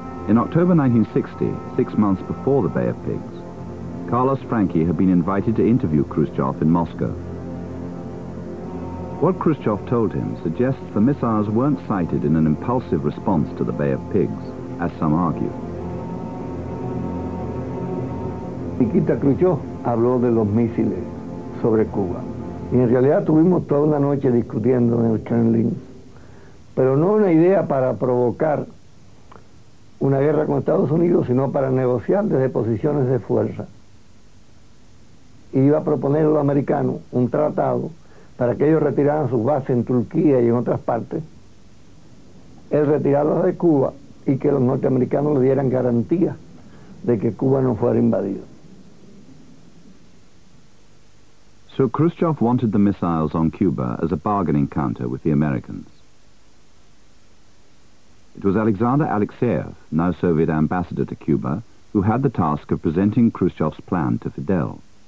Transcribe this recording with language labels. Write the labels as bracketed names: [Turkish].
[English] In October 1960, 6 months before the Bay of Pigs, Carlos Franchi had been invited to interview Khrushchev in Moscow. What Khrushchev told him suggests the missiles weren't sighted in an impulsive response to the Bay of Pigs, as some argue. [Spanish] Nikita Khrushchev habló de los misiles sobre Cuba. Y en realidad tuvimos toda una noche discutiendo en el Kremlin, pero no una idea para provocar una guerra con Estados Unidos, sino para negociar desde posiciones de fuerza. Y iba a proponer a los americanos un tratado para que ellos retiraran sus bases en Turquía y en otras partes, el retirarlos de Cuba y que los norteamericanos le dieran garantía de que Cuba no fuera invadido. [English] So Khrushchev wanted the missiles on Cuba as a bargaining counter with the Americans. It was Alexander Alexeyev, now Soviet ambassador to Cuba, who had the task of presenting Khrushchev's plan to Fidel.